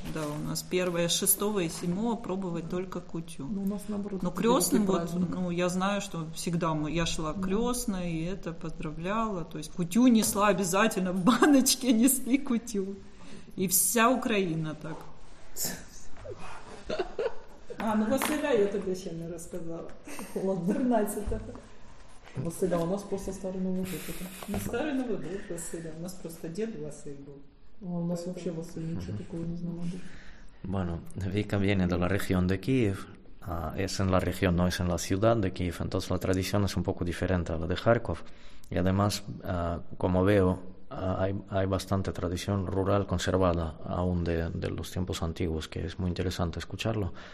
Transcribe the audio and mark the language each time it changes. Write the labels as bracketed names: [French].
[Russian] Да, да, у нас первое, 6-го и 7-го пробовать только кутю. Ну, у нас наоборот. Но крестным, вот, ну, я знаю, что всегда я шла крестной, и это поздравляла. То есть кутю несла обязательно, в баночке несли кутю. И вся Украина так. [Ukrainian] А, ну Василя, я тебе ще не розказала. 13-го. Василя, у нас просто старий Новий рік. Не старий Новий рік, Василя. У нас просто дід Василь був. А у нас взагалі Василь нічого такого не знала. [Spanish] Bueno, Vika viene de la región de Kiev. Es en la región, no es en la ciudad de Kiev. Entonces la tradición es un poco diferente a la de Kharkov. Y además, como veo, hay bastante tradición rural conservada aún de los tiempos antiguos, que es muy interesante escucharlo.